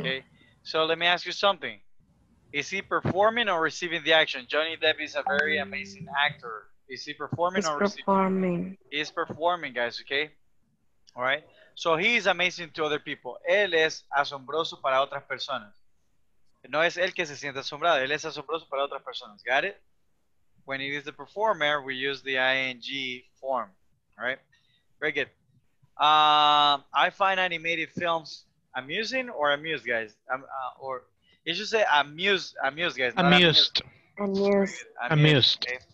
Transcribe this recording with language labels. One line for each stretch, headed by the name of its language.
English: Okay, so let me ask you something. Is he performing or receiving the action? Johnny Depp is a very amazing actor. Is he performing he's or performing. Receiving? He's performing, guys, okay? All right, so he is amazing to other people.
Spanish: Él es asombroso para otras personas. No es él que se siente asombrado. Él es asombroso para otras personas,
English: got it? When it is the performer, we use the ing form, right? Very good. I find animated films amusing or amused, guys? Or you should say amused, guys. Amused. Amused.